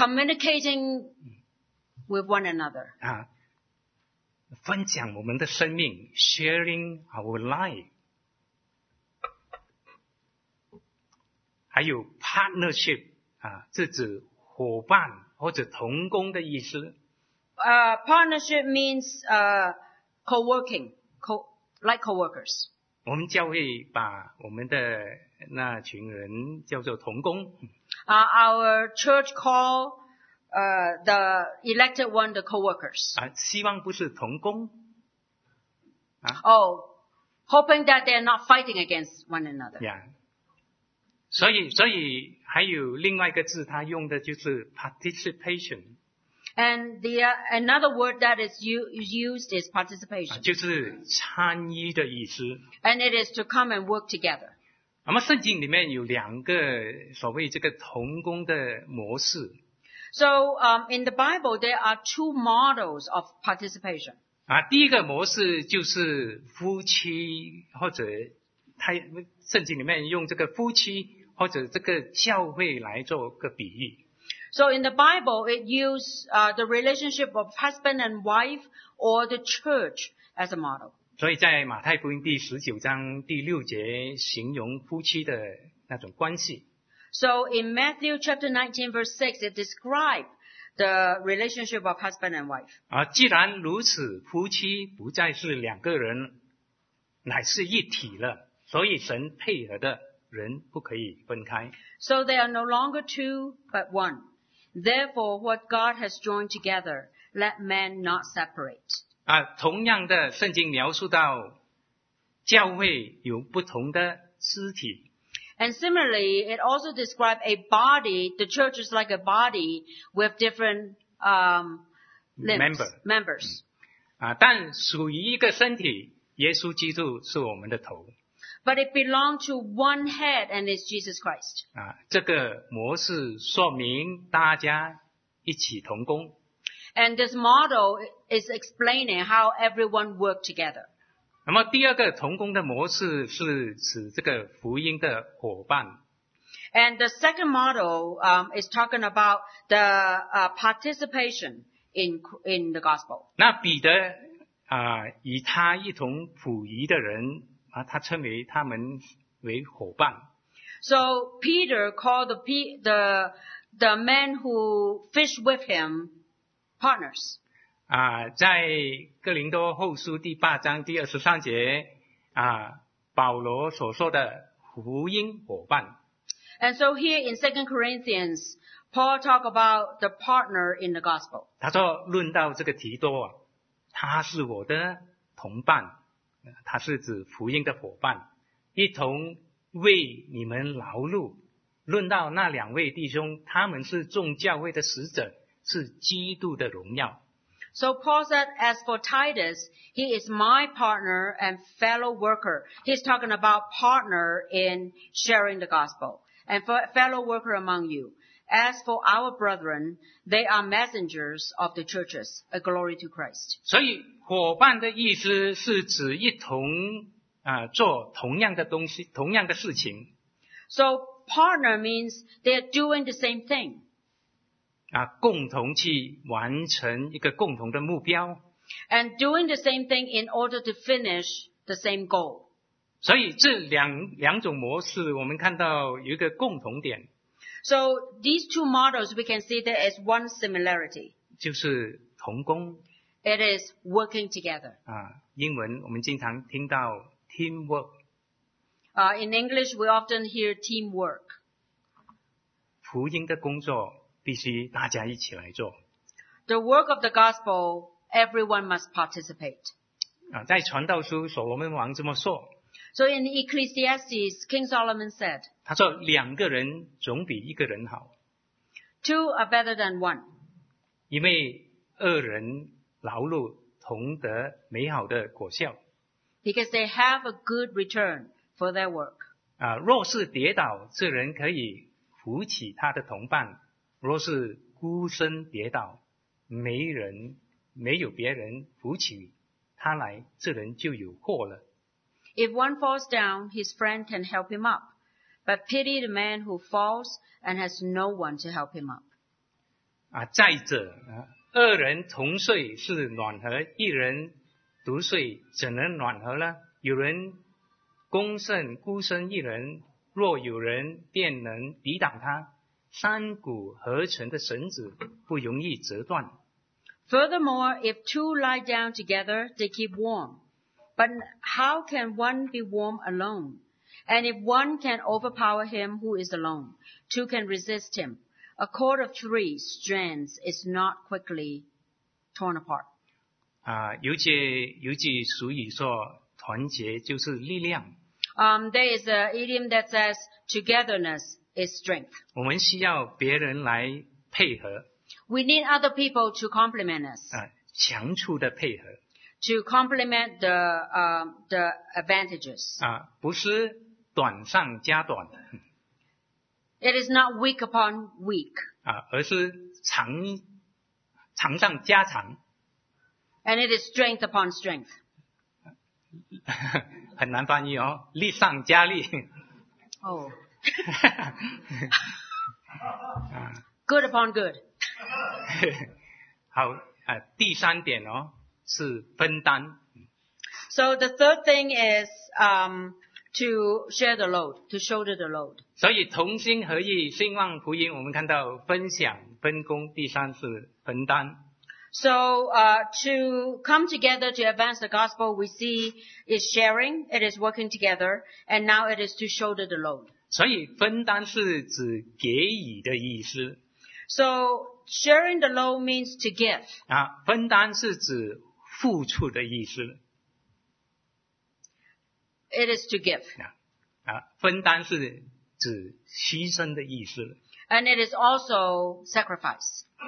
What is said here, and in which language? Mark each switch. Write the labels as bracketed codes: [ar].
[en] Communicating with one another. [zh] 分享我们的生命 [en] sharing our life. [zh] 还有 partnership, 是指伙伴或者同工的意思。 [en] Partnership means co-working, like co-workers. [zh] 我们教会把我们的那群人叫做同工。 [en] Our church call the elected one the co-workers. [zh] 希望不是同工。 [en] Hoping that they're not fighting against one another. Yeah. [zh] 所以还有另外一个字他用的就是 participation. [en] And the another word that is used is participation. [zh] 就是参与的意思。 [en] And it is to come and work together. [zh] 那么圣经里面有两个所谓这个同工的模式。 [en] So, in the Bible, there are two models of participation. [zh] 第一个模式就是夫妻或者圣经里面用这个夫妻或者这个教会来做个比喻。 [en] So, in the Bible, it used, the relationship of husband and wife or the church as a model. [zh] 所以在马太福音第十九章第六节形容夫妻的那种关系。 [en] So in Matthew chapter 19 verse 6, it describes the relationship of husband and wife. [zh] 既然如此，夫妻不再是两个人，乃是一体了。所以神配合的人不可以分开。 [en] So they are no longer two, but one. Therefore, what God has joined together, let man not separate. [zh] 同样的圣经描述到教会有不同的肢体。 [en] And similarly, it also describes a body, the church is like a body with different, limbs, members. [zh] 但属于一个身体耶稣基督是我们的头。 [en] But it belongs to one head and it's Jesus Christ. [zh] 这个模式说明大家一起同工。 [en] And this model is explaining how everyone work together. [zh] 那么第二个同工的模式是指这个福音的伙伴。 [en] And the second model is talking about the participation in the gospel. [zh] 那彼得与他一同捕鱼的人他称为他们为伙伴。 [en] So Peter called the man who fished with him partners. [zh] 啊，在哥林多后书第八章第二十三节啊，保罗所说的福音伙伴。 [en] And so here in 2 Corinthians, Paul talked about the partner in the gospel. [zh] 他说，论到这个提多啊，他是我的同伴，他是指福音的伙伴，一同为你们劳碌。论到那两位弟兄，他们是众教会的使者，是基督的荣耀。 [en] So Paul said, as for Titus, he is my partner and fellow worker. He's talking about partner in sharing the gospel and fellow worker among you. As for our brethren, they are messengers of the churches, a glory to Christ. [zh] 所以伙伴的意思是指一同做同样的东西，同样的事情。 [en] So partner means they're doing the same thing. [zh] 啊，共同去完成一个共同的目标。 [en] And doing the same thing in order to finish the same goal. [zh] 所以这两种模式我们看到有一个共同点。 [en] So these two models we can see there is one similarity. [zh] 就是同工。 [en] It is working together. [zh] 啊，英文我们经常听到 teamwork. [en] In English we often hear teamwork. [zh] 福音的工作必须大家一起来做。 [en] The work of the gospel, everyone must participate. [zh] 啊，在传道书所罗门王这么说。 [en] So in Ecclesiastes, King Solomon said. [zh] 他说两个人总比一个人好。 [en] Two are better than one. [zh] 因为二人劳碌同得美好的果效。 [en] Because they have a good return for their work. [zh] 啊，若是跌倒，这人可以扶起他的同伴。若是孤身跌倒，没有别人扶起他来，这人就有祸了。 [en] If one falls down, his friend can help him up. But pity the man who falls and has no one to help him up. [zh] 啊，再者，二人同睡是暖和，一人独睡怎能暖和呢？有人攻胜，孤身一人，若有人便能抵挡他。三股合成的绳子不容易折断。 [en] Furthermore, if two lie down together, they keep warm. But how can one be warm alone? And if one can overpower him who is alone, two can resist him. A cord of three strands is not quickly torn apart. [zh] 有句俗语说，团结就是力量。 [en] There is an idiom that says, togetherness. Is strength. [zh] 我们需要别人来配合。 [en] We need other people to complement us. [zh] 强处的配合。 [en] To complement the advantages. [zh] 不是短上加短。 [en] It is not weak upon weak. [zh] 而是长上加长。 [en] And it is strength upon strength. [zh] 很难翻译哦，力上加力。 [en] Oh. good upon good. [zh] 好，第三点哦，是分担。 [en] So the third thing is to share the load, to shoulder the load. [zh] 所以同心合意，兴旺福音，我们看到分享、分工，第三是分担。 [en] So to come together to advance the gospel, we see is sharing, it is working together, and now it is to shoulder the load. [zh] 所以分担是指给予的意思。 [en] So sharing the load means to give. [zh] 分担是指付出的意思。 [en] It is to give. [zh] 分担是指牺牲的意思。 [en] And it is also sacrifice.